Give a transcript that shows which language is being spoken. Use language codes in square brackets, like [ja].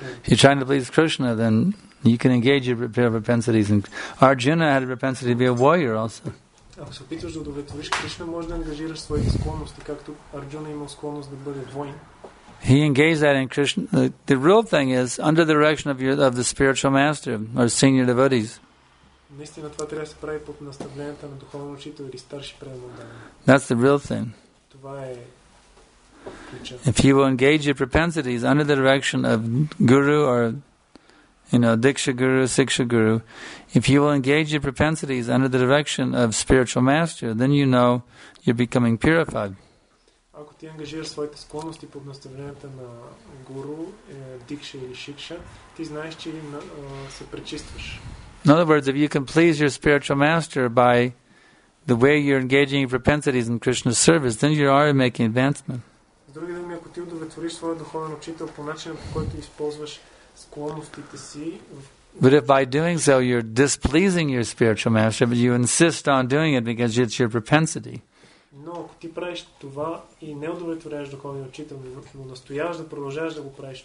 [en] You're trying to please Krishna, then you can engage your propensities. And Arjuna had a propensity to be a warrior also. [bg] Ако се опитваш да удовлетвориш Кришна, можеш да ангажираш своите склонности, както Арджуна има склонност да бъде воин. [en] He engaged that in Krishna. The real thing is under the direction of the spiritual master or senior devotees. [bg] Наистина това трябва да се прави под наставлението на духовен учител или старши преводач. [en] That's the real thing. [bg] Това е. [en] If you will engage your propensities under the direction of guru or Diksha Guru, Siksha Guru, if you will engage your propensities under the direction of spiritual master, then you know you're becoming purified. [bg] Ако ти ангажираш своите склонности под наставленията на гуру, дикша или шикша, ти знаеш, че се пречистваш. [en] In other words, if you can please your spiritual master by the way you're engaging your propensities in Krishna's service, then you are making advancement. But if by doing so you're displeasing your spiritual master, but you insist on doing it because it's your propensity. [bg] Но ако ти правиш това и не удовлетворяваш духовния учител, но настояваш да продължаваш да го правиш,